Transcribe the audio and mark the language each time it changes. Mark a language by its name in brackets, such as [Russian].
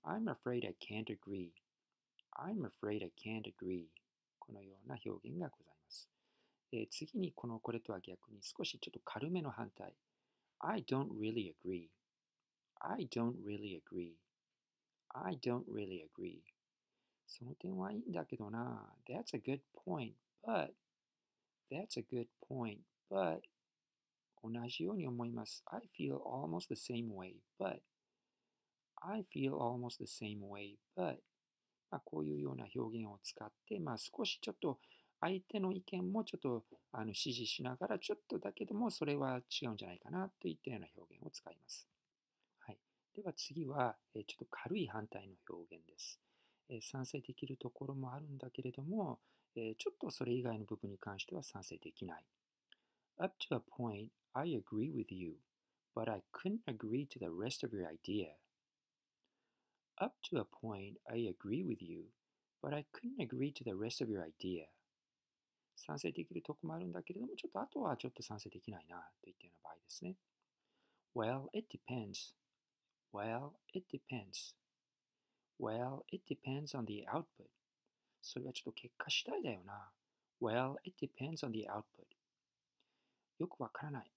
[English] I'm afraid I can't agree. I'm afraid I can't agree. [Japanese] このような表現がございます。次にこれとは逆に少しちょっと軽めの反対。 [English] I don't really agree. I don't really agree. I don't really agree. [Japanese] その点はいいんだけどな。 [English] That's a good point, but...That's a good point, but [Japanese] 同じように思います。 [English] I feel almost the same way, but [Japanese] I feel almost the same way, but、まあ、こういうような表現を使って、まあ、少しちょっと相手の意見もちょっと支持しながら、ちょっとだけでもそれは違うんじゃないかなといったような表現を使います。はい、では次は、ちょっと軽い反対の表現です。賛成できるところもあるんだけれども、ちょっとそれ以外の部分に関しては賛成できない。 [English] Up to a point, I agree with you, but I couldn't agree to the rest of your idea. Up to a point, I agree with you, but I couldn't agree to the rest of your idea. [Japanese] 賛成できるとこもあるんだけれども、ちょっとあとはちょっと賛成できないなといったような場合ですね。 [English] Well, it depends. Well, it depends. Well, it depends on the output. [Japanese] それはちょっと結果次第だよな。 [English] Well, it depends on the output. [Japanese] よくわからない。